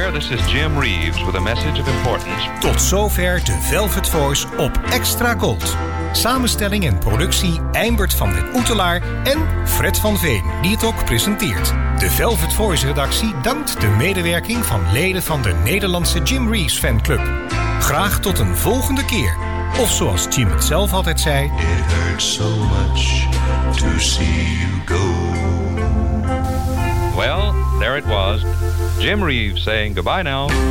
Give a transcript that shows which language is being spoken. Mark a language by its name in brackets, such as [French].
[English] is Jim Reeves with a message of importance. [Dutch] Tot zover de Velvet Voice op Extra Gold. Samenstelling en productie Eimbert van den Oetelaar en Fred van Veen, die het ook presenteert. De Velvet Voice redactie dankt de medewerking van leden van de Nederlandse Jim Reeves fanclub. Graag tot een volgende keer. Of zoals Jim het zelf altijd zei... [English] It hurts so much to see you go. Well, there it was. Jim Reeves saying goodbye now.